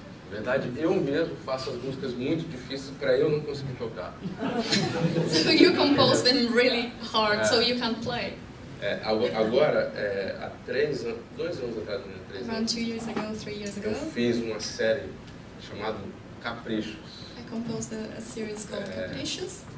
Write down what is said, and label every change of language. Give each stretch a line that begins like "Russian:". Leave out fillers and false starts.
Portuguese: Na verdade, eu mesmo faço as músicas muito difíceis para eu não conseguir tocar.
English: So you compose them really hard, so you can't play.
Portuguese: Agora, há 2 anos atrás, né?
English: Around 2 years ago, 3 years ago.
Portuguese: Eu fiz uma série chamada Caprichos.
English: I composed a series called Caprichos.